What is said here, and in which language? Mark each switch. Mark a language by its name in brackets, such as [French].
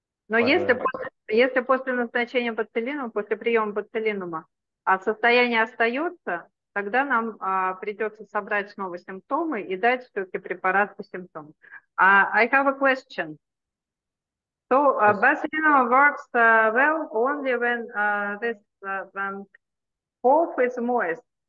[Russian] Но [English] for the bacillin. [Russian] если после назначения бациллинума, после приема бациллинума, состояние остается, тогда нам придется собрать снова симптомы и дать все-таки препарат по симптомам. [English] I have a question. So, bacillin works well only when this when cough is moist.